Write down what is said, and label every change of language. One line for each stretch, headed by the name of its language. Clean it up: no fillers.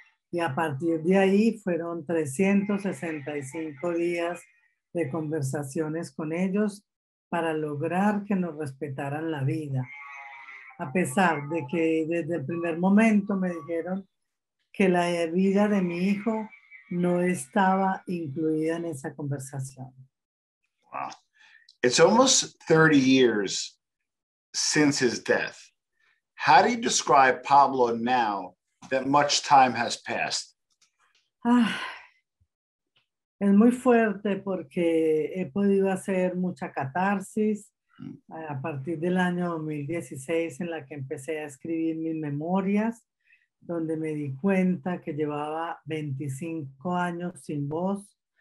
Spanish: Y a partir de ahí fueron 365 días de conversaciones con ellos para lograr que nos respetaran la vida. A pesar de que desde el primer momento me dijeron que la vida de mi hijo no estaba incluida en esa conversación.
English: Wow. It's almost 30 years since his death. How do you describe Pablo now that much time has passed?
Spanish: Ah, es muy fuerte porque he podido hacer mucha catarsis a partir del año 2016 en la que empecé a escribir mis memorias, donde me di cuenta que llevaba 25 años sin voz,